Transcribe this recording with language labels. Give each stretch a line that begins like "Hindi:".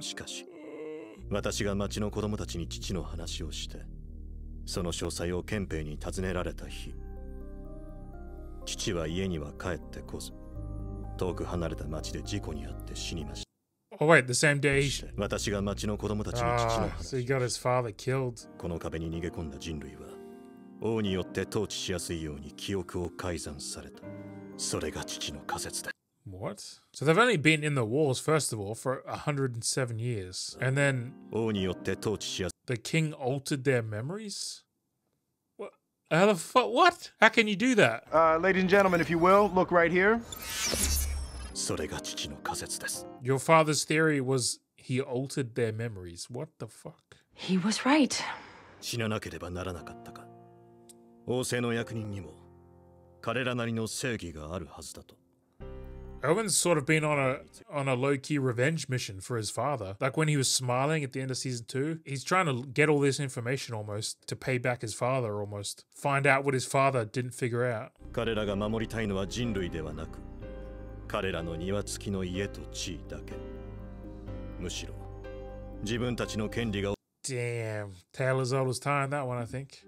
Japanese: しかし、私が町の子供たちに父の話をして、その詳細を憲兵に尋ねられた日、父は家には帰ってこず、遠く離れた町で事故に遭って死にました。
English: Oh, wait, the same day.
Japanese: 私が町の子供たちに父の話をして、
English: so he got his father killed.
Japanese: この壁に逃げ込んだ人類は、王によって統治しやすいように記憶を改ざんされた。それが父の仮説だ。
English: What? So they've only been in the wars, first of all, for 107 years. And then the king altered their memories? What? How the fuck? What? How can you do that? Ladies and gentlemen, if you will, look right here.
Japanese: それが父の仮説です。
English: Your father's theory was he altered their memories. What the fuck? He was right.
Japanese: 死ななければならなかったか。王政の役人にも彼らなりの正義があるはずだと。
English: Owen's sort of been on a low-key revenge mission for his father. Like when he was smiling at the end of season two, he's trying to get all this information almost to pay back his father, almost find out what his father didn't figure out.
Japanese: 彼らが守りたいのは人類ではなく、彼らの庭付きの家と地位だけ。むしろ、自分たちの権利が。
English: Damn, tale as old as time, that one, I think.